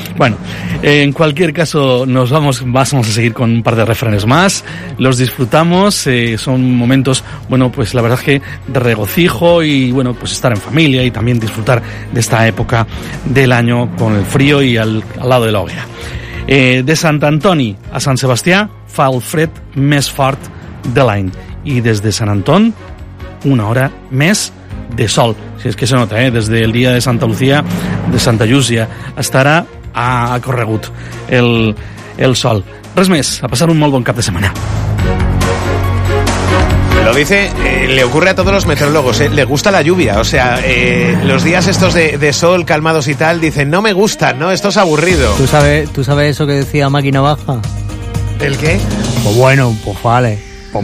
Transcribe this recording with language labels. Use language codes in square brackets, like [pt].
[es] Bueno, en cualquier caso vamos a seguir con un par de refranes más. Los disfrutamos, son momentos, bueno, pues la verdad es que de regocijo y bueno, pues estar en familia y también disfrutar de esta época del año con el frío y al lado de la hoguera. [ca] De Sant Antoni a Sant Sebastià fa el fred més fort de l'any, i des de Sant Anton una hora més de sol, si és que se nota, [es] desde el dia de Santa Lucía, [ca] de Santa Llúcia, estarà a corregut el sol. Res més, a passar un molt bon cap de setmana. [es] Lo dice, le ocurre a todos los meteorólogos, le gusta la lluvia, o sea, los días estos de sol calmados y tal, dicen, no me gusta, no, esto es aburrido. ¿Tú sabes eso que decía Máquina Baja? ¿El qué? Pues bueno, pues vale, pues